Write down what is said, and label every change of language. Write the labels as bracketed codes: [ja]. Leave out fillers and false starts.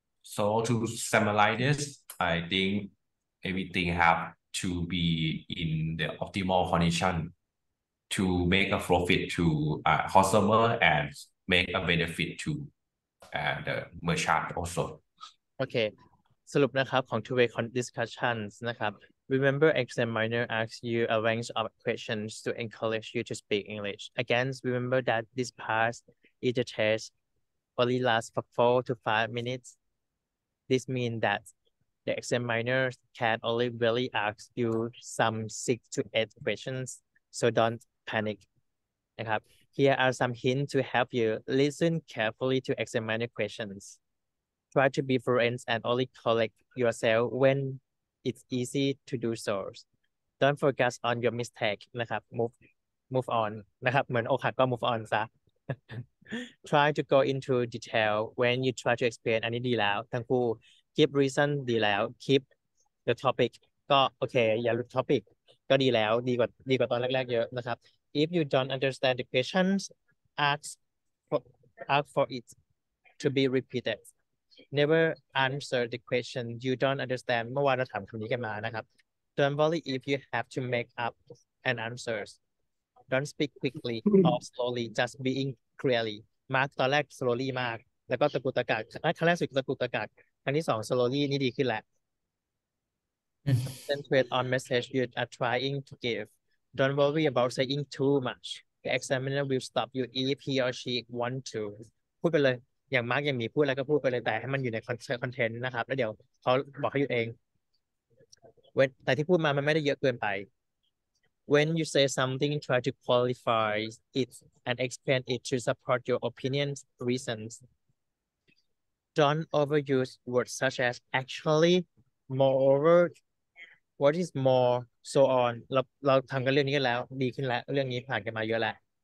[en] So to summarize this, I think everything have to be in the optimal condition to make a profit to a customer and make a benefit to the merchant also. [th] Okay, สรุปนะครับของ [en] two-way discussions [th] นะครับ. [en] Remember, examiner asks you a range of questions to encourage you to speak English. Again, remember that this part is the test only lasts for 4 to 5 minutes. This means that the examiner can only really ask you some 6 to 8 questions, so don't panic. [th] นะครับ. [en] Here are some hints to help you listen carefully to examiner questions. Try to be friends and only collect yourself when it's easy to do so. Don't focus on your mistake. [th] นะครับ [en] move on. [th] นะครับเหมือนโอขาดก็ move on ซะ [en] Try to go into detail when you try to explain. [th] อันนี้ดีแล้วทั้งคู่ [en] Keep reason [th] ดีแล้ว [en] Keep the topic [th] ก็โอเคอย่าหลุด topic ก็ดีแล้วดีกว่าตอนแรกๆเยอะนะครับ [en] If you don't understand the questions, ask for it to be repeated. Never answer the question you don't understand. [th] เมื่อวานเราถามคำนี้กันมานะครับ [en] Don't worry if you have to make up an answer. Don't speak quickly or slowly. Just being clearly. [th] มาตอนแรก slowly มากแล้วก็ตะกุกตะกักครั้งแรกสุดตะกุกตะกักครั้งที่สอง slowly นี่ดีขึ้นแหละ [en] Concentrate on message you are trying to give. Don't worry about saying too much. The examiner will stop you if he or she want to. [th] พูดไปเลยอย่างมาร์กยังมีพูดอะไรก็พูดไปเลยแต่ให้มันอยู่ในคอนเทนต์นะครับแล้วเดี๋ยวเขาบอกเขาอยู่เองแต่ที่พูดมามันไม่ได้เยอะเกินไป [en] When you say something try to qualify it and explain it to support your opinions reasons Don't overuse words such as actually moreover what is more so on [th] เราทำกันเรื่องนี้กันแล้วดีขึ้นแล้วเรื่องนี้ผ่านกันมาเยอะแล้ว